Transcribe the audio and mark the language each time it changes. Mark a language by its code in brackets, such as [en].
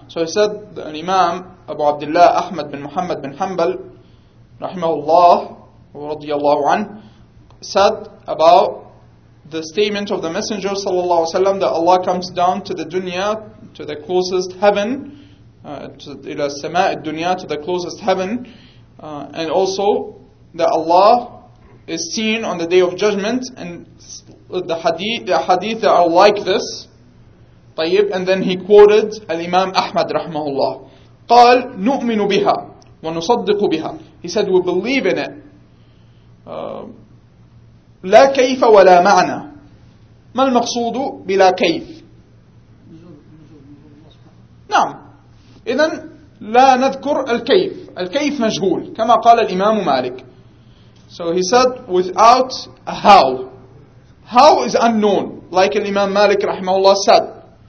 [en] So he said الإمام أبو عبد الله أحمد بن محمد بن حنبل [ar] رحمه الله رضي الله عنه [en] said about the statement of the messenger صلى الله عليه وسلم that Allah comes down to the dunya, to the closest heaven, [ar] إلى السماء الدنيا, [en] to the closest heaven, and also that Allah is seen on the day of judgment, and the hadith that are like this, طيب, and then he quoted الإمام أحمد رحمه الله. [ar] قال نؤمن بها ونصدق بها. [en] He said we believe in it. [ar] لا كيف ولا معنى. ما المقصود بلا كيف؟ نعم. إذن لا نذكر الكيف. الكيف مجهول كما قال الإمام مالك. [en] So he said without a how. How is unknown, like الإمام مالك رحمه الله said.